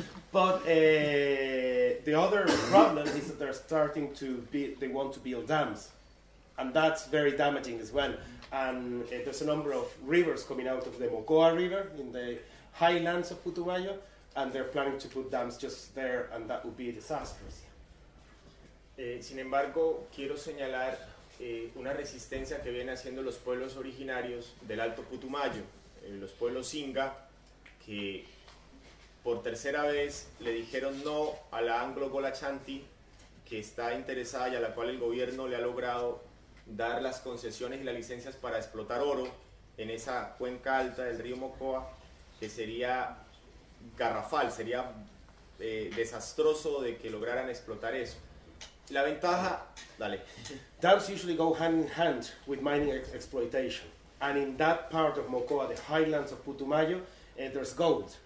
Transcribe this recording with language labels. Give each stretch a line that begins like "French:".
English: But the other problem is that they're starting to build dams. and that's very damaging as well. And there's a number of rivers coming out of the Mocoa River in the highlands of Putumayo, and they're planning to put dams just there, and that would be disastrous.
Spanish: Sin embargo, quiero señalar una resistencia que viene haciendo los pueblos originarios del Alto Putumayo, los pueblos Inga, que por tercera vez le dijeron no a la Anglo-Golachanti, que está interesada y a la cual el gobierno le ha logrado dar las concesiones y las licencias para explotar oro en esa cuenca alta del río Mocoa, que sería garrafal, sería desastroso de que lograran explotar eso. La ventaja, dale.
English: Dams usually go hand in hand with mining exploitation. And in that part of Mocoa, the highlands of Putumayo, there's gold.